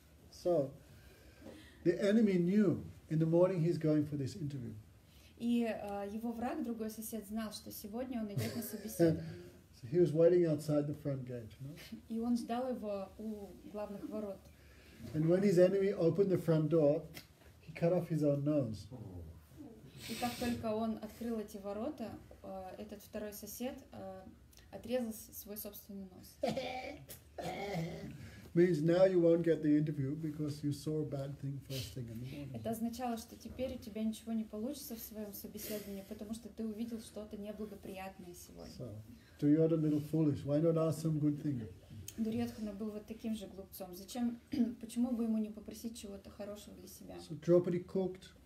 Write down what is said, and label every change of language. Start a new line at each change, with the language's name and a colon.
English: So, the enemy knew in the morning he's going for this interview.
Russian: И его враг, другой сосед, знал, что сегодня он идет на собеседование.
English: So he was waiting outside the front gate. No?
Russian: И он ждал его у главных ворот.
English: And when his enemy opened the front door, he cut off his own nose.
Russian: И как только он открыл эти ворота, этот второй сосед отрезал свой собственный нос.
English: Means now you won't get the interview because you saw a bad thing first thing in the morning.
Russian: Это означало, что теперь у тебя ничего не получится в своем собеседовании, потому что ты увидел что-то неблагоприятное сегодня.
English: So, Duryodhana a little foolish. Why not ask some good thing?
Russian: Дурьотхана был вот таким же глупцом. Зачем, почему бы ему не попросить чего-то хорошего для себя?
English: So Draupadi cooked.